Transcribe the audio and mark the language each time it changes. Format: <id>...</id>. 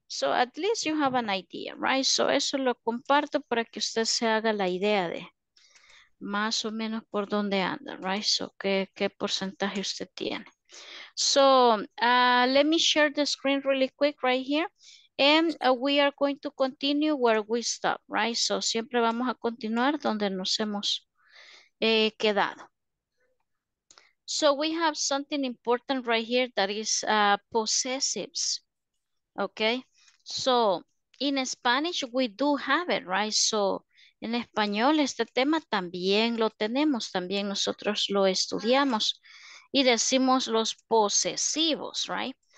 <en>So at least you have an idea, right?</en> <es>So eso lo comparto para que usted se haga la idea de más o menos por dónde anda, right? So qué porcentaje usted tiene.</es> <en>So let me share the screen really quick right here. And we are going to continue where we stop, right?</en> <es>So siempre vamos a continuar donde nos hemos quedado.</es> <en>So we have something important right here that is possessives, okay? So in Spanish, we do have it, right?</en> <es>So en español, este tema también lo tenemos, también nosotros lo estudiamos y decimos los posesivos, right?</es>